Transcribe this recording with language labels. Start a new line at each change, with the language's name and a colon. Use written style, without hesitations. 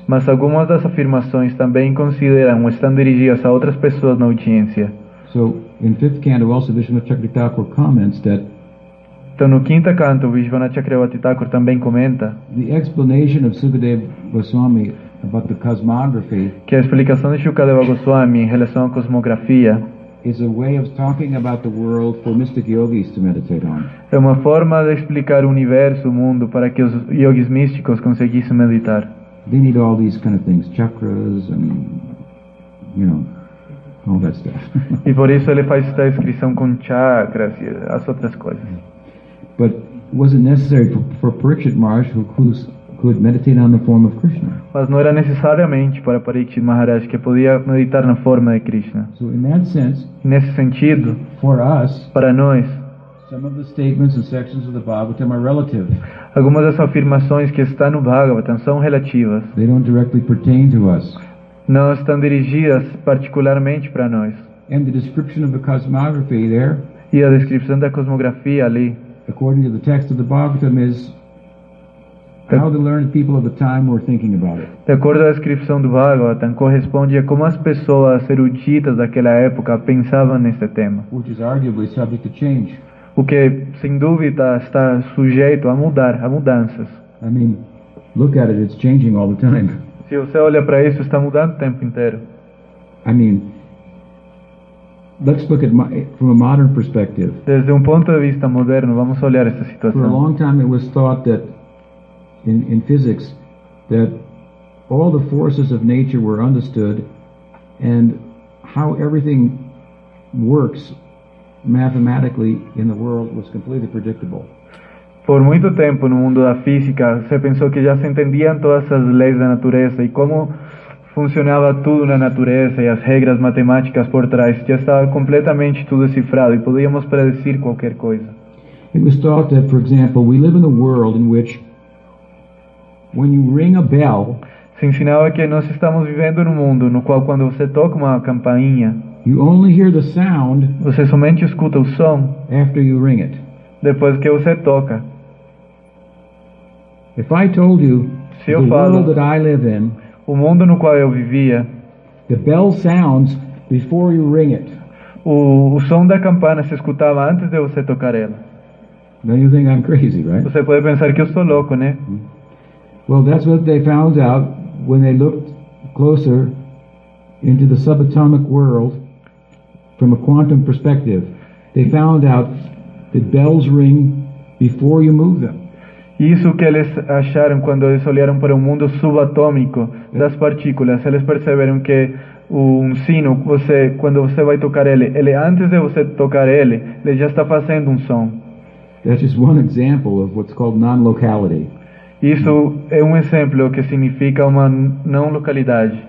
Portuguese: Mas algumas das afirmações também consideram estão dirigidas a outras pessoas na audiência.
English: So, in fifth canto, also Vishwanatha Chakravarti comments that.
Portuguese: Então, no quinto canto, Vishwanatha Chakravarti Thakur também comenta.
English: The explanation of Sukadeva Goswami. About the cosmography,
Portuguese: que a explicação de Shukadeva Goswami em relação à cosmografia
English: is a way of talking about the world for mystic yogis to meditate on.
Portuguese: É uma forma de explicar o universo, o mundo, para que os yogis místicos conseguissem meditar.
English: They need all these kind of things, chakras and, you know, all that stuff.
Portuguese: E por isso ele faz esta descrição com chakras e as outras coisas.
English: But was it necessary for Parikshit Maharaj, who could meditate on the form of Krishna?
Portuguese: Mas não era necessariamente para Parikshit Maharaj que podia meditar na forma de Krishna.
English: So in that sense,
Portuguese: nesse sentido,
English: for us,
Portuguese: para nós,
English: some of the statements and sections of the Bhagavatam are relative.
Portuguese: Algumas das afirmações que estão no Bhagavatam são relativas.
English: They don't directly pertain to us.
Portuguese: Não estão dirigidas particularmente para nós.
English: And the description of the cosmography there.
Portuguese: E a descrição da cosmografia ali.
English: According to the text of the Bhagavatam is. How the learned people of the time were thinking about it.
Portuguese: De acordo à descrição do Bhagavatam, corresponde a como as pessoas eruditas daquela época pensavam nesse tema.
English: Which is arguably subject to change.
Portuguese: O que, sem dúvida, está sujeito a mudar, a mudanças.
English: I mean, look at it, it's changing all the time.
Portuguese: Se você olha para isso, está mudando o tempo inteiro.
English: I mean, let's look at from a modern perspective.
Spanish: Desde un punto de vista moderno,
Portuguese: vamos a olhar esta situação.
English: For a long time, it was thought that in physics that all the forces of nature were understood, and how everything works mathematically in the world was completely predictable.
Portuguese: Por muito tempo no mundo da física se pensou que já se entendiam todas as leis da natureza e como funcionava tudo na natureza e as regras matemáticas por trás já estava completamente tudo cifrado e podíamos predecir qualquer coisa.
English: It was thought that, for example, we live in a world in which when you ring a bell,
Portuguese: se ensinava que nós estamos vivendo num mundo no qual quando você toca uma campainha,
English: you only hear the sound,
Portuguese: você somente escuta o som
English: after you ring it.
Portuguese: Depois que você toca.
English: If I told you,
Portuguese: se eu falo,
English: world that I live in,
Portuguese: o mundo no qual eu vivia,
English: the bell sounds before you ring it.
Portuguese: O som da campana se escutava antes de você tocar ela.
English: Then you think I'm crazy, right?
Portuguese: Você pode pensar que eu sou louco, né?
English: Well, that's what they found out when they looked closer into the subatomic world from a quantum perspective. They found out the bells ring before you move them.
Portuguese: Isso que eles acharam quando eles olharam para o mundo subatômico das partículas, eles perceberam que um sino, você, quando você vai tocar ele, ele antes de você tocar ele, ele já está fazendo um som.
English: That's just one example of what's called non-locality.
Portuguese: Isso é um exemplo que significa uma não localidade.